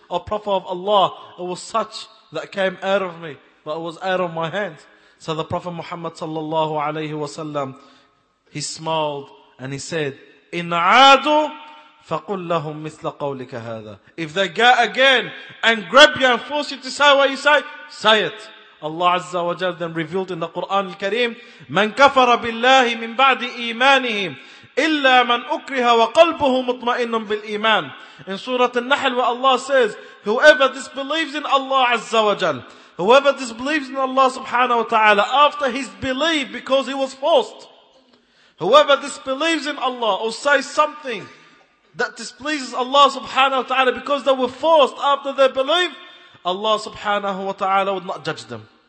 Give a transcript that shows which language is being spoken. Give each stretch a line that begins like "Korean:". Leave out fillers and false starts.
English: O Prophet of Allah, it was such that came out of me, but it was out of my hand. So the Prophet Muhammad sallallahu alayhi wasallam, he smiled and he said,
Arabic: In عادوا فقل لهم مثل قولك هذا.
English: If they go again and grab you and force you to say what you say, say it. Allah Azza wa Jal then revealed in the Quran al-Kareem,
Arabic: من كفر بالله من بعد إيمانه إلا من أكره وقلبه مطمئن بالإيمان.
English: In Surah Al-Nahl, where Allah says, whoever disbelieves in Allah Azza wa Jal, whoever disbelieves in Allah subhanahu wa ta'ala after his belief because he was forced, whoever disbelieves in Allah or says something that displeases Allah subhanahu wa ta'ala because they were forced after their belief, Allah subhanahu wa ta'ala would not judge them.